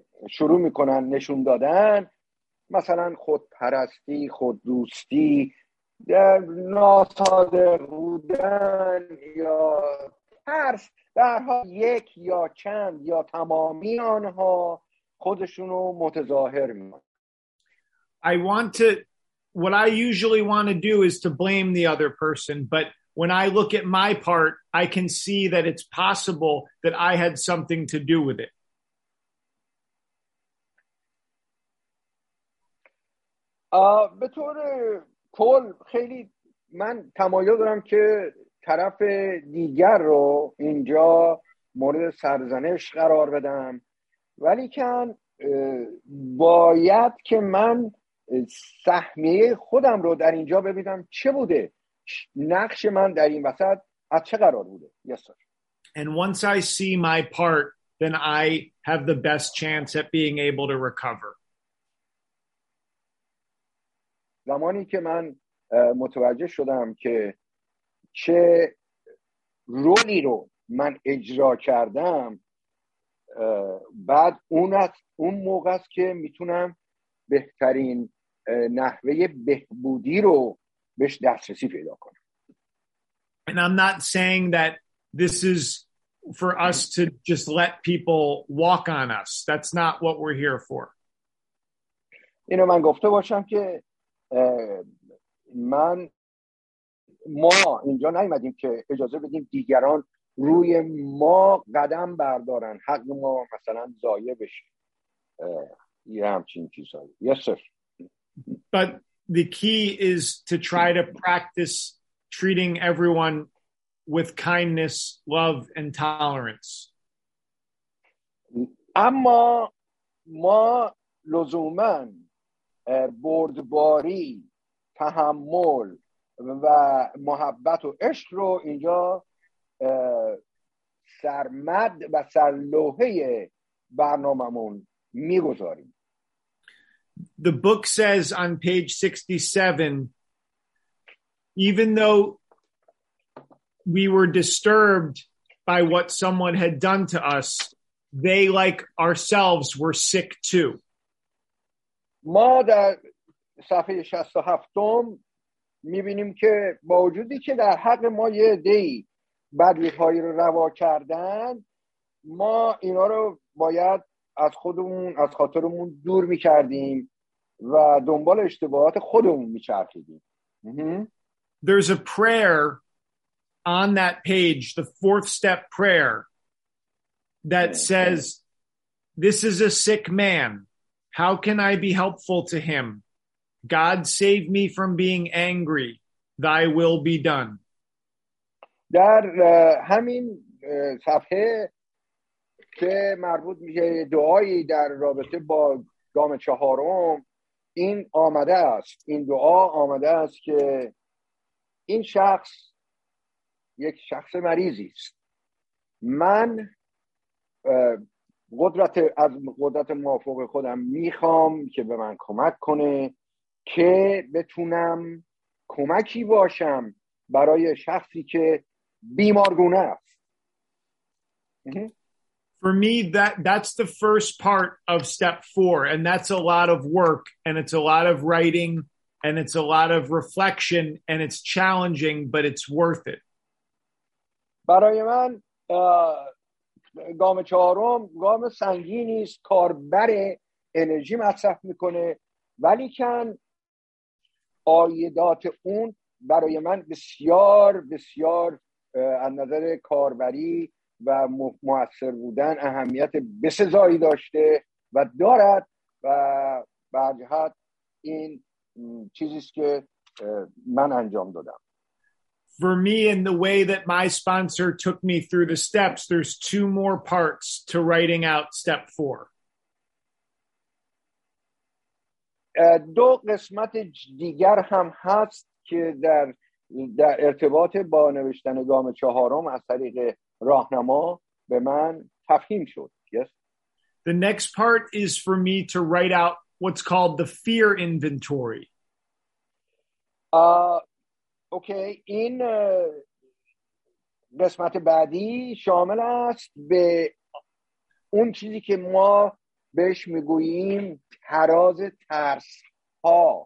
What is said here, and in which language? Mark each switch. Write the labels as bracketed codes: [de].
[fa] شروع میکنن نشون دادن، مثلا خودپرستی، خوددوستی، ناصادق بودن یا ترس، در حال یک یا چند یا تمامی آنها خودشونو متظاهر میکنن. [en] What I usually want to do is to blame the other person, but when I look at my part, I can see that it's possible that I had something to do with it. [fa] به طور کل خیلی من تمایل دارم که طرف دیگر رو اینجا مورد سرزنش قرار بدم، ولی کن باید که من سهمیه خودم رو در اینجا ببینم چه بوده، نقش من در این وسط از چه قرار بوده. [en] Yes, sir. And once I see my part, then I have the best chance at being able to recover. [fa] زمانی که من متوجه شدم که چه رولی رو من اجرا کردم، بعد اون موقع است که میتونم بهترین نحوه بهبودی رو بهش دسترسی پیدا کنم. [en] And I'm not saying that this is for us to just let people walk on us. That's not what we're here for. [fa] اینو من گفته باشم که من ما اینجا نیومدیم که اجازه بدیم دیگران روی ما قدم بردارن، حق ما مثلا ضایع بشه. یه همچین چیزایی. [en] Yes sir. But the key is to try to practice treating everyone with kindness, love, and tolerance. [fa] اما ما لزوماً بردباری، تحمل و محبت و عشق رو اینجا سرمد و سرلوحه برنامه‌مون می‌گذاریم. [en] The book says on page 67, even though we were disturbed by what someone had done to us, they, like ourselves, were sick too. [fa] ما در صفحه 67 می‌بینیم که با وجودی که در حق ما یه عده‌ای بدی‌هایی رو روا کردند، ما اینا رو باید از خودمون، از خاطرمون دور می‌کردیم و دنبال اشتباهات خودمون می‌چرخیدیم. [en] There's a prayer on that page, the fourth step prayer, that says, "This is a sick man. How can I be helpful to him? God save me from being angry. Thy will be done." [fa] در همین صفحه که مربوط میشه دعایی در رابطه با گام چهارم، این آمده است، این دعا آمده است که این شخص یک شخص مریضی است. من قدرت از قدرت موافق خودم میخوام که به من کمک کنه که بتونم کمکی باشم برای شخصی که بیمارگونه است. [en] For me, that's the first part of step four, and that's a lot of work, and it's a lot of writing, and it's a lot of reflection, and it's challenging, but it's worth it. [fa] برای من گام چهارم گام سنگینی است، کاربر انرژی مصرف میکنه، ولی کن عایدات اون برای من بسیار بسیار از نظر کاربری و مؤثر بودن اهمیت بسزایی داشته و دارد و برجهت این چیزیست که من انجام دادم. [en] For me, in the way that my sponsor took me through the steps, there's two more parts to writing out step four. [fa] دو قسمت دیگر هم هست که در ارتباط با نوشتن گام چهارم از طریق راهنما به من تفهیم شد. [en] Yes. The next part is for me to write out what's called the fear inventory. [fa] Okay, این قسمت بعدی شامل است به اون چیزی که ما بهش میگوییم تراز ترس ها.